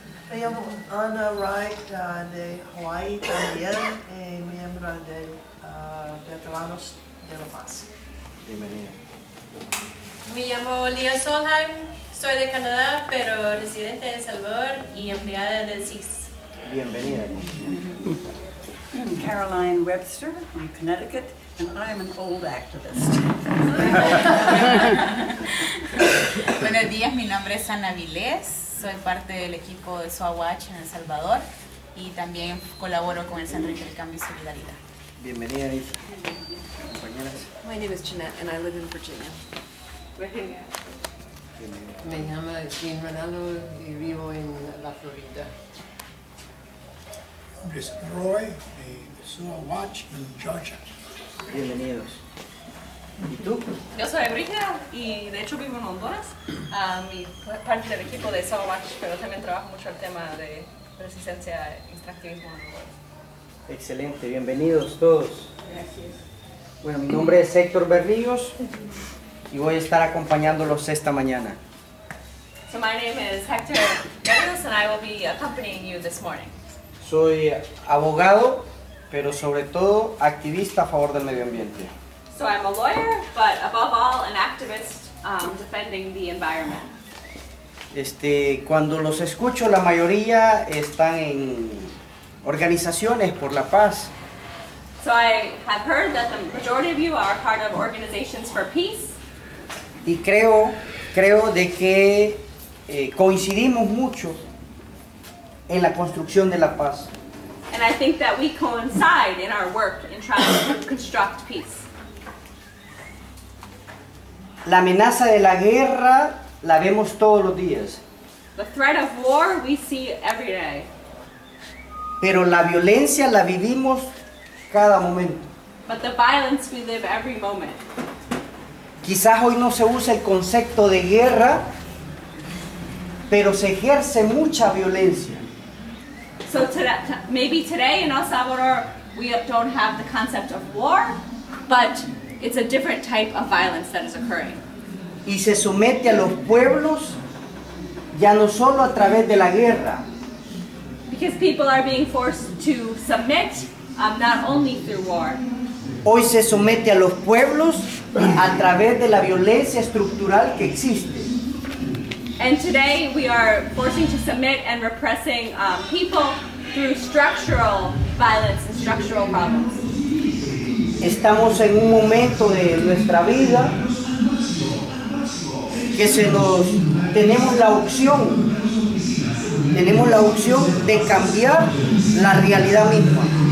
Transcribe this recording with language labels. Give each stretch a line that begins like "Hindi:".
Spanish: Me llamo Ana Wright de Hawaii también, y miembro de Veteranos de la Paz. Bienvenida. Me llamo Lia Solheim, soy de Canadá, pero residente en Salvador y empleada del CIS. Bienvenida.
English: I'm Caroline Webster from Connecticut, and I'm an old activist.
Spanish: Buenos días, mi nombre es Ana Vilés, soy parte del equipo de SOA Watch en El Salvador y también colaboro con el Centro de Intercambio y Solidaridad. Bienvenida, Anita.
English: My name is Jeanette and I live in Virginia.
Spanish: Me llamo Jean Ronaldo y vivo en La Florida.
English: My name is Roy, de Sua Watch in Georgia.
Spanish: Bienvenidos. ¿Y tú? Yo soy Brigida y de hecho vivo en Honduras. Mi parte del equipo de Sua Watch, pero también trabajo mucho el tema de resistencia a extractivismo en Honduras. Excelente, bienvenidos todos. Gracias. Bueno, mi nombre es Hector Berrios y voy a estar acompañándolos esta mañana.
English: So my name is Hector Berrios and I will be accompanying you this morning.
Spanish: Soy abogado, pero sobre todo activista a favor del medio ambiente.
English: So I'm a lawyer, but above all an activist defending the environment.
Spanish: Cuando los escucho, la mayoría están en organizaciones por la paz.
English: So I have heard that the majority of you are part of organizations for peace.
Spanish: Y creo de que coincidimos mucho en la construcción de la paz.
English: And I think that we coincide in our work in trying to construct peace.
Spanish: La amenaza de la guerra la vemos todos los días.
English: The threat of war we see every day.
Spanish: Pero la violencia la vivimos cada momento.
English: But the violence we live every moment.
Spanish: Quizás hoy no se usa el concepto de guerra, pero se ejerce mucha violencia.
English: So maybe today in El Salvador we don't have the concept of war, but it's a different type of violence that is occurring.
Spanish: Y se somete a los pueblos ya no solo a través de la guerra.
English: Because people are being forced to submit not only through war.
Spanish: Hoy se somete a los pueblos a través de la violencia estructural que existe.
English: And today we are forcing to submit and repressing people through structural violence and structural problems.
Spanish: Estamos en un momento de nuestra vida que tenemos la opción de cambiar la realidad misma.